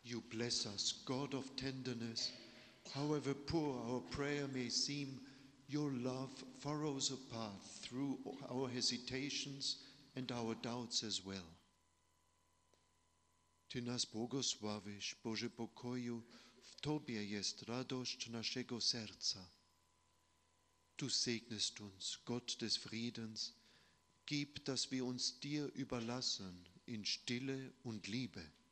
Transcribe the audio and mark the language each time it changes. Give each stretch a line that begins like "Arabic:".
English: Bless us, God of tenderness. However poor our prayer may seem, your love furrows a path through our hesitations and our doubts as well.
Polish: Ty nas błogosławisz, Boże pokoju, w Tobie jest radość naszego serca.
German: Du segnest uns, Gott des Friedens, gib, dass wir uns dir überlassen in Stille und Liebe.